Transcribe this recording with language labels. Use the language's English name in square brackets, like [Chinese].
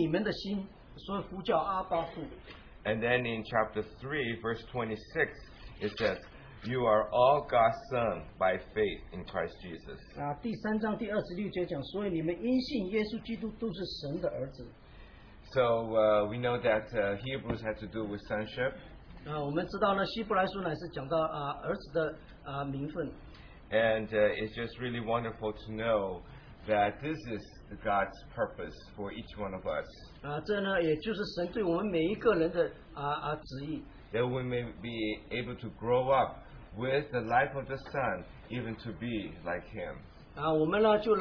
[Chinese] 你们既为儿子，神就差他的儿子的灵进入你们里面，进入你们的心，所以呼叫阿爸父。 [English] And then in chapter 3, verse 26, it says, You are all God's son by faith in Christ Jesus. [Chinese] 第三章第26节讲，所以你们因信耶稣基督都是神的儿子。 [English] So we know that Hebrews had to do with sonship. [Chinese] 我们知道呢，希伯来书乃是讲到儿子的名分。 [English] And it's just really wonderful to know that this is God's purpose for each one of us. [Chinese] 这呢，也就是神对我们每一个人的旨意。 [English] That we may be able to grow up with the life of the Son, even to be like Him.